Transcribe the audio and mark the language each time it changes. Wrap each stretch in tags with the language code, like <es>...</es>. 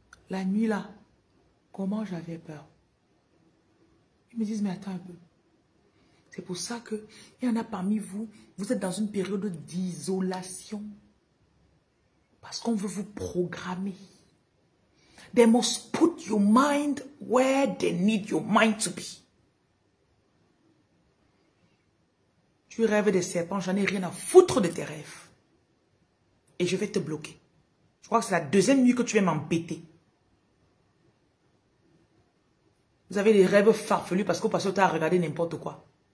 <fr>La nuit là, comment j'avais peur. Ils me disent « Mais attends un peu. » C'est pour ça qu'il y en a parmi vous, vous êtes dans une période d'isolation. Parce qu'on veut vous programmer.</fr> <en>They must put your mind where they need your mind to be.</en> <fr>Tu rêves des serpents, j'en ai rien à foutre de tes rêves. Et je vais te bloquer. Je crois que c'est la deuxième nuit que tu vas m'embêter. Vous avez des rêves farfelus parce qu'au passé, tu as regardé n'importe quoi.</fr>